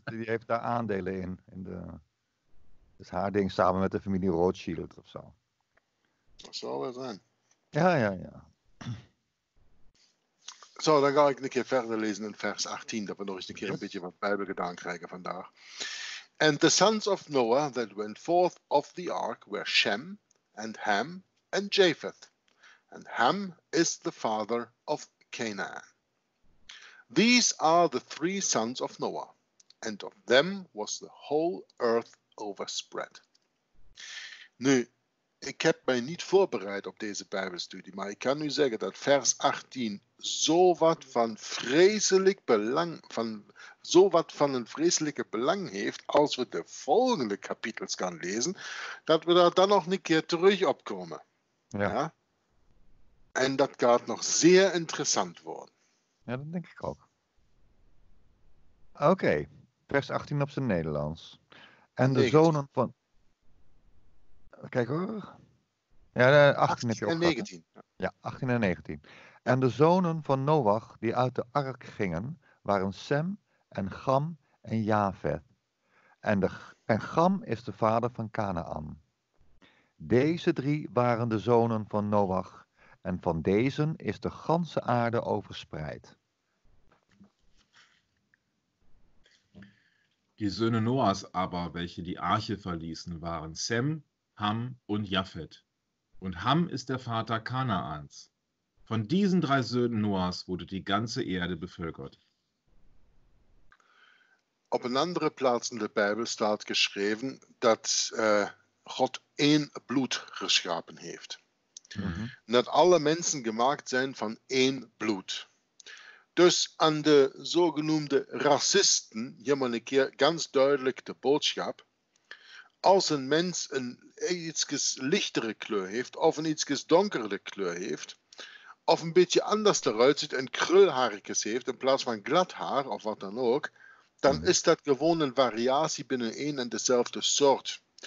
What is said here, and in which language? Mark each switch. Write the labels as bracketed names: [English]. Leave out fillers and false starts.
[Dutch] Die heeft daar aandelen in. Dat is haar ding samen met de familie Rothschild of zo. Dat zou wel zijn. Ja. Zo, dan ga ik een keer verder lezen in vers 18, dat we nog eens een keer een beetje wat Bijbel gedaan krijgen vandaag. [English] And the sons of Noah that went forth of the ark were Shem, and Ham, and Japheth. and Ham is the father of Canaan. These are the three sons of Noah, and of them was the whole earth overspread. [Dutch] Nu, ik heb mij niet voorbereid op deze Bijbelstudie, maar ik kan nu zeggen dat vers 18 zo wat van een vreselijke belang heeft als we de volgende kapitels gaan lezen, dat we daar dan nog een keer terug op komen. Ja. Ja? En dat gaat nog zeer interessant worden. Ja, dat denk ik ook. Oké, vers 18 op zijn Nederlands. En de zonen van... Kijk hoor. Ja, 18 heb je ook en 19. Gehad, ja, 18 en 19. En de zonen van Noach die uit de ark gingen, waren Sem en Gam en Jafet. En Gam is de vader van Canaan. Deze drie waren de zonen van Noach. En van deze is de ganse aarde overspreid. [German] Die Söhne Noahs aber, welche die Arche verließen, waren Sem, Ham und Japhet. Und Ham ist der Vater Kanaans. Von diesen drei Söhnen Noahs wurde die ganze Erde bevölkert. Auf einem anderen Platz in der Bibel steht geschrieben, dass Gott ein Blut geschaffen hat. Mhm. Dass alle Menschen gemacht sind von ein Blut. [Dutch] Dus aan de zogenoemde racisten, hier maar een keer ganz duidelijk de boodschap. Als een mens een iets lichtere kleur heeft, of een iets donkere kleur heeft, of een beetje anders eruit ziet en krulhaarjes heeft in plaats van glad haar of wat dan ook, dan is dat gewoon een variatie binnen één en dezelfde soort.